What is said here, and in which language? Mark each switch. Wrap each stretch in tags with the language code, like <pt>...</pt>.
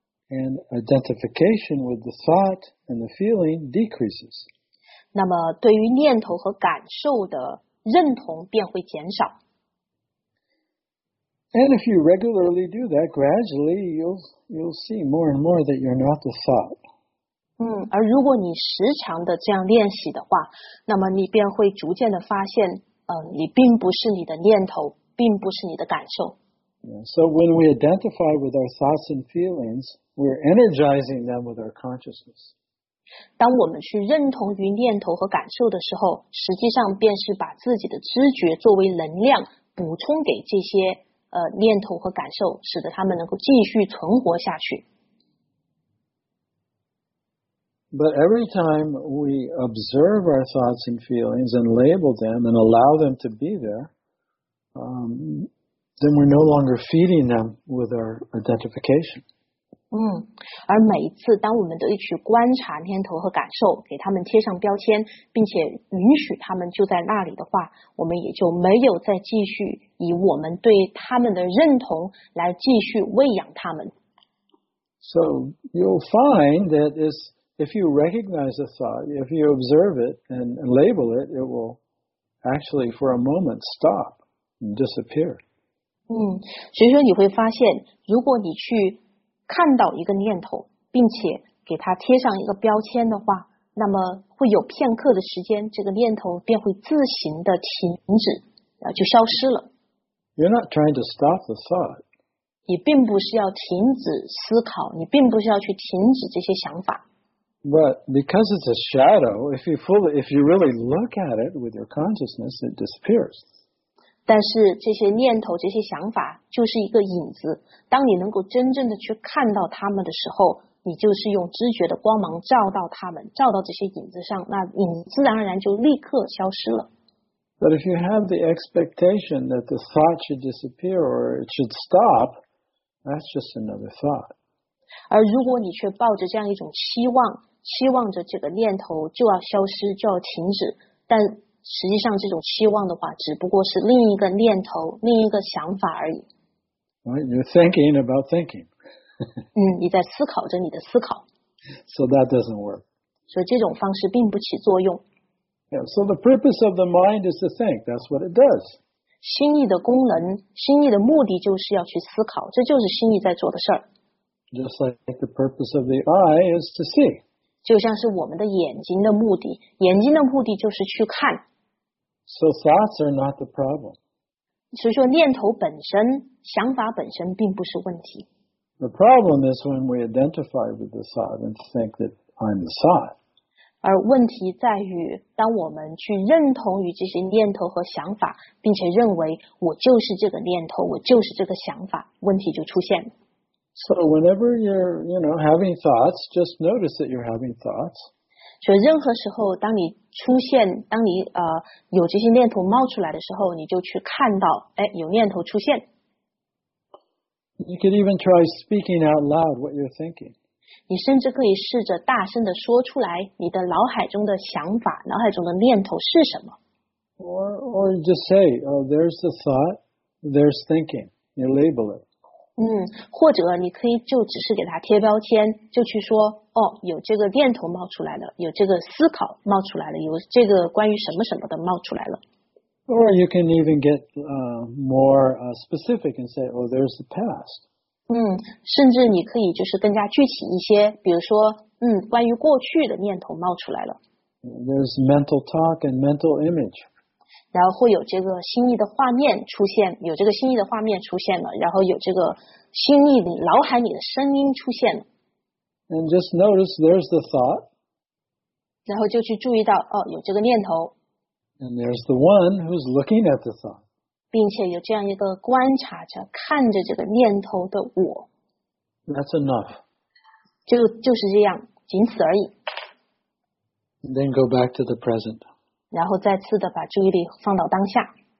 <en>And identification with the thought and the feeling decreases.</en> <zh>那么对于念头和感受的认同便会减少。</zh> <en>And if you regularly do that, gradually you'll see more and more that you're not the thought.</en> <zh>而如果你时常的这样练习的话，那么你便会逐渐的发现，你并不是你的念头，并不是你的感受。</zh> <en>So when we identify with our thoughts and feelings, we're energizing them with our consciousness.</en> <zh>当我们去认同于念头和感受的时候，实际上便是把自己的知觉作为能量补充给这些念头和感受，使得他们能够继续存活下去。</zh> <en>But every time we observe our thoughts and feelings and label them and allow them to be there, then we're no longer feeding them with our identification.</en> <zh>而每一次当我们得以去观察念头和感受，给他们贴上标签，并且允许他们就在那里的话，我们也就没有再继续以我们对他们的认同来继续喂养他们。</zh> <en>So you'll find that if you recognize a thought, if you observe it and label it, it will actually for a moment stop and disappear.</en> <zh>所以说你会发现，如果你去看到一个念头，并且给它贴上一个标签的话，那么会有片刻的时间，这个念头便会自行的停止，就消失了。</zh> <en>You're not trying to stop the thought.</en> <zh>你并不是要停止思考，你并不是要去停止这些想法。</zh> <en>But because it's a shadow, if you really look at it with your consciousness, it disappears.</en> <zh>但是这些念头这些想法就是一个影子，当你能够真正的去看到他们的时候，你就是用知觉的光芒照到他们，照到这些影子上，那影自然而然就立刻消失了。</zh> <en>But if you have the expectation that the thought should disappear or it should stop, that's just another thought.</en> <zh>而如果你却抱着这样一种期望，期望着这个念头就要消失，就要停止，但实际上这种期望的话，只不过是另一个念头，另一个想法而已。</zh> <en>Right, you're thinking about thinking.</en> <zh>你在思考着你的思考。</zh> <en>So that doesn't work.</en> <zh>所以这种方式并不起作用。</zh> <en>Yeah, so the purpose of the mind is to think. That's what it does.</en> <zh>心意的功能，心意的目的就是要去思考，这就是心意在做的事儿。</zh> <en>Just like the purpose of the eye is to see.</en> <zh>就像是我们的眼睛的目的，眼睛的目的就是去看。</zh> <en>So thoughts are not the problem.</en> <zh>所以说念头本身，想法本身并不是问题。</zh> <en>The problem is when we identify with the thought and think that I'm the thought.</en> <zh>而问题在于，当我们去认同于这些念头和想法，并且认为我就是这个念头，我就是这个想法，问题就出现了。</zh> <en>So whenever you're, you know, having thoughts, just notice that you're having thoughts.</en> <zh>所以任何时候，当你出现，当你有这些念头冒出来的时候，你就去看到，哎，有念头出现。</zh> <en>You could even try speaking out loud what you're thinking.</en> <zh>你甚至可以试着大声地说出来你的脑海中的想法，脑海中的念头是什么。</zh> <en>Or just say, oh, there's the thought, there's thinking. You label it.</en> <zh>或者你可以就只是给他贴标签，就去说，哦，有这个念头冒出来了，有这个思考冒出来了，有这个关于什么什么的冒出来了。</zh> <en>Or you can even get more specific and say, oh, there's the past.</en> <zh>甚至你可以就是更加具体一些，比如说，关于过去的念头冒出来了。</zh> <en>There's mental talk and mental image.</en> <zh>然后会有这个心意的画面出现，有这个心意的画面出现了，然后有这个心意里脑海里的声音出现了。</zh> <en>And just notice there's the thought.</en> <zh>然后就去注意到，哦，有这个念头。</zh> <en>And there's the one who's looking at the thought.</en> <zh>并且有这样一个观察者看着这个念头的我。</zh> <en>That's enough.</en> <zh>就是这样，仅此而已。</zh> <en>And then go back to the present.</en> <zh>然后再次的把注意力放到当下。</zh>